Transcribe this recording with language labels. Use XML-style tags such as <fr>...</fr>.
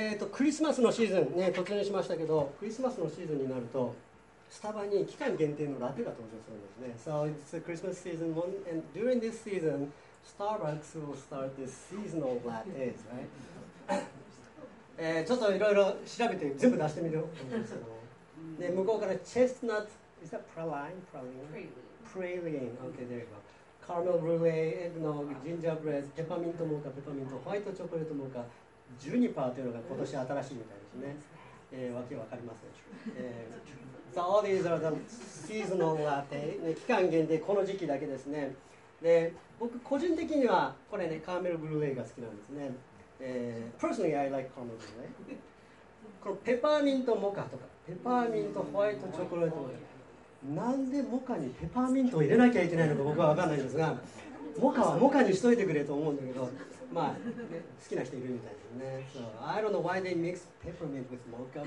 <ja>クリスマスのシーズン、ね、突入しましたけど、クリスマスのシーズンになると、スタバに期間限定のラテが登場するんですね。</ja> <en>So it's a Christmas season, and during this season, Starbucks will start this seasonal lattes, right?</en> <ja>ちょっといろいろ調べて全部出してみると思うんですけど、ね、向こうからチェスナッツ、</ja> <en>is that praline? Praline. Okay, there you go. Caramel brulee, eggnog, gingerbread, peppermint mocha,</en> <ja>ホワイトチョコレートモーカ、ジュニパーというのが今年新しいみたいですね。わけわかりません。</ja> <en>So all these are the seasonal latte.</en> <ja>、ね、期間限定、この時期だけですね。で、僕個人的にはこれね、カーメルブルーレイが好きなんですね。</ja> <en>Personally, I like caramel brulee.</en> <ja>このペパーミントモカとか、ペパーミントホワイトチョコレートモカ。なんでモカにペパーミントを入れなきゃいけないのか僕はわかんないんですが、モカはモカにしといてくれと思うんだけど、まあ、ね、好きな人いるみたいですね。</ja> <en>So, I don't know why they mix peppermint with mocha.</en>